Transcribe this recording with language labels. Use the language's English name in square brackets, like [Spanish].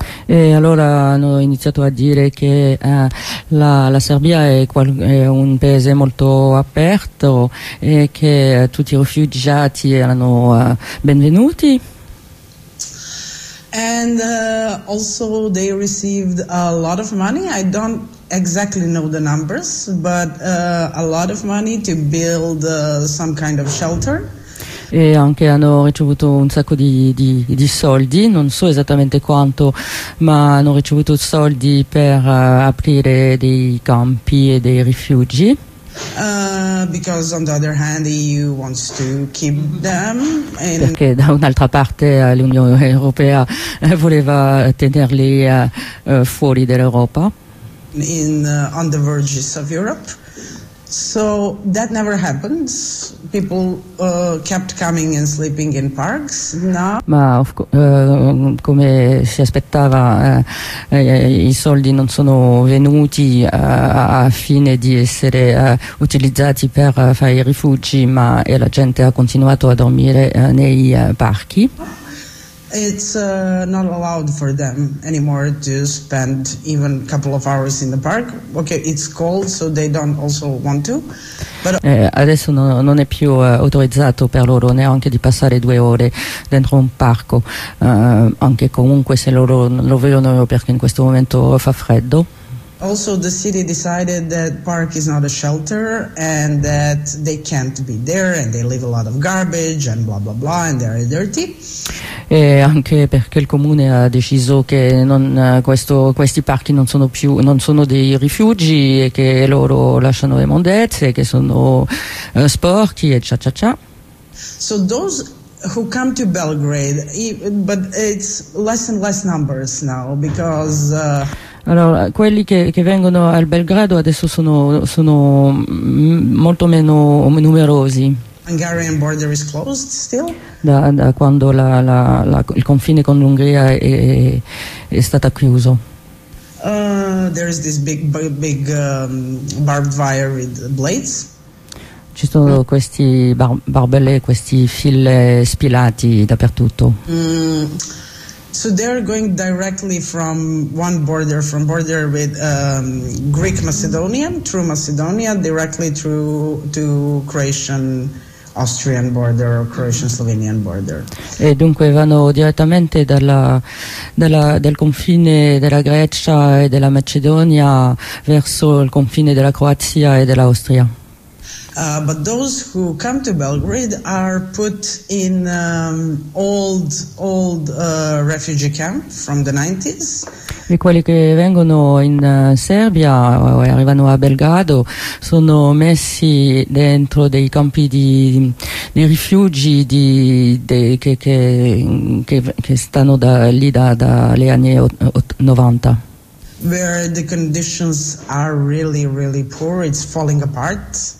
[Italian] E allora hanno iniziato a dire che la Serbia è un paese molto aperto e che tutti i rifugiati erano benvenuti. [English] And also they received a lot of money. I don't exactly know the numbers, but a lot of money to build some kind of shelter. [Italian] E anche hanno ricevuto un sacco di soldi, non so esattamente quanto, ma hanno ricevuto soldi per aprire dei campi e dei rifugi. [English] Because on the other hand the EU wants to keep them. [Italian] Perché da un'altra parte l'Unione Europea voleva tenerli fuori dall'Europa. [English] On the verges of Europe. So that never happened. People kept coming and sleeping in parks. Now, [Italian] ma come si aspettava, i soldi non sono venuti a fine di essere utilizzati per fare i rifugi, ma e la gente ha continuato a dormire nei parchi. [English] It's not allowed for them anymore to spend even a couple of hours in the park. Okay, it's cold, so they don't also want to. But [Italian] adesso non è più autorizzato per loro neanche di passare due ore dentro un parco, anche comunque se loro non lo vedono perché in questo momento fa freddo. [English] Also, the city decided that park is not a shelter and that they can't be there and they leave a lot of garbage and blah blah blah and they're dirty. [Italian] E anche perché il comune ha deciso che questi parchi non sono dei rifugi e che loro lasciano le immondezze e che sono sporchi e cia cia cia. [English] So those who come to Belgrade, but it's less and less numbers now because [Italian] allora, quelli che vengono al Belgrado adesso sono molto meno numerosi. [English] Hungarian border is closed still? [Italian] Da quando il confine con l'Ungheria è stato chiuso. [English] There is this big barbed wire with blades. [Italian] Ci sono questi barbelle, questi fili spilati dappertutto. [English] So they're going directly from one border, from border with Greek Macedonia, through Macedonia, directly through to Croatian Austrian border or Croatian Slovenian border. [Italian] E dunque vanno direttamente dal confine della Grecia e della Macedonia verso il confine della Croazia e dell'Austria. [English] But those who come to Belgrade are put in old refugee camp from the 90s. [Italian] di quelli che vengono in Serbia e arrivano a Belgrado sono messi dentro dei campi di rifugi che stanno da lì dalle anni 90. [English] Where the conditions are really, really poor, it's falling apart.